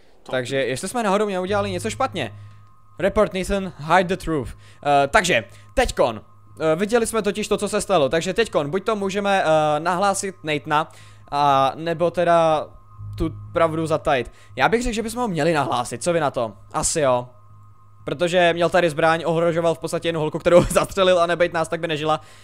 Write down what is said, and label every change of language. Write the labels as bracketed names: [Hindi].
[Czech] Takže, jestli jsme náhodou neudělali něco špatně. [English] Report Nathan, hide the truth. [Czech] Takže, teďkon. Viděli jsme totiž to, co se stalo. Takže teďkon, buď to můžeme nahlásit Nathana, a nebo teda tu pravdu zatajit. Já bych řekl, že bychom ho měli nahlásit, co vy na to? Asi jo. Protože měl tady zbraň, ohrožoval v podstatě jednu holku, kterou zastřelil a nebejt nás, tak by nežila.